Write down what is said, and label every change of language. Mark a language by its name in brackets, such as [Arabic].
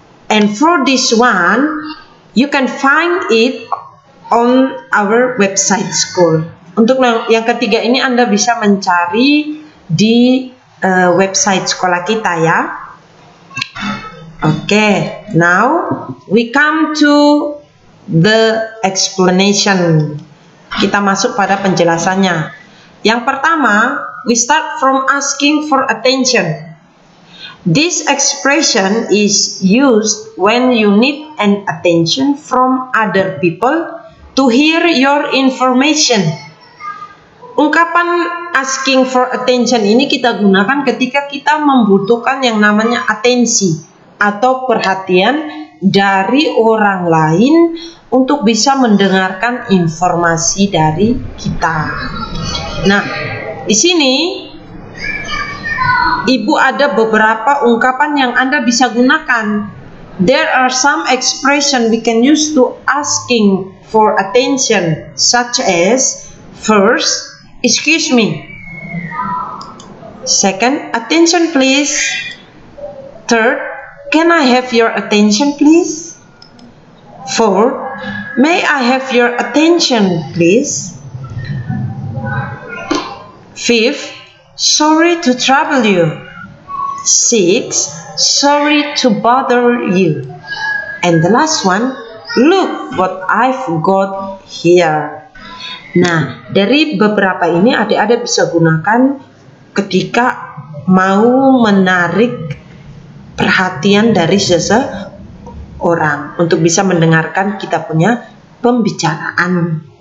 [English] And for this one, you can find it on our website school. [Indonesian] Untuk yang ketiga ini Anda bisa mencari di website sekolah kita ya. [English] Okay, now we come to the explanation. [Indonesian] Kita masuk pada penjelasannya. Yang pertama, [English] we start from asking for attention. This expression is used when you need an attention from other people to hear your information. [Indonesian] Ungkapan asking for attention ini kita gunakan ketika kita membutuhkan yang namanya atensi atau perhatian dari orang lain untuk bisa mendengarkan informasi dari kita. Nah, di sini Ibu ada beberapa ungkapan yang Anda bisa gunakan. [English] There are some expression we can use to asking for attention, such as first, excuse me. Second, attention please. Third, can I have your attention please? Fourth, may I have your attention please? Fifth, sorry to trouble you. Sixth, sorry to bother you. And the last one, look what I've got here. [Indonesian] Nah, dari beberapa ini adik-adik bisa gunakan ketika mau menarik perhatian dari seseorang untuk bisa mendengarkan kita punya pembicaraan.